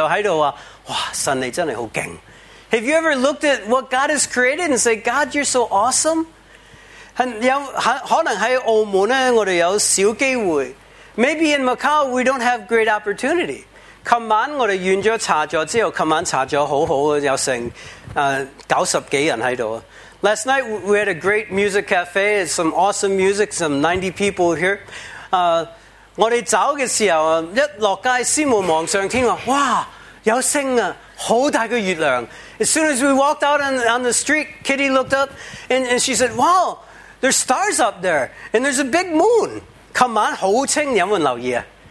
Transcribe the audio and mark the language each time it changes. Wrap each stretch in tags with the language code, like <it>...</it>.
<zh>你有没有看神的创造，神奇妙的创造就在这里说，哇，神你真的很厉害。</zh> <en>Have you ever looked at what God has created and say, God, you're so awesome?</en> <zh>可能在澳门我们有小机会。</zh> <en>Maybe in Macau, we don't have great opportunity.</en> <zh>昨晚我们完了茶座之后，昨晚茶座很好，有成90多人在这里。</zh> <en>Last night, we had a great music cafe, some awesome music, some 90 people here.</en> <zh>我们走的时候，一落街，师母望上天，哇，有星啊，好大个月亮。</zh> <en>As soon as we walked out on the street, Kitty looked up, and she said, wow, there's stars up there, and there's a big moon.</en> <zh>昨晚很清，有没有留意啊。</zh>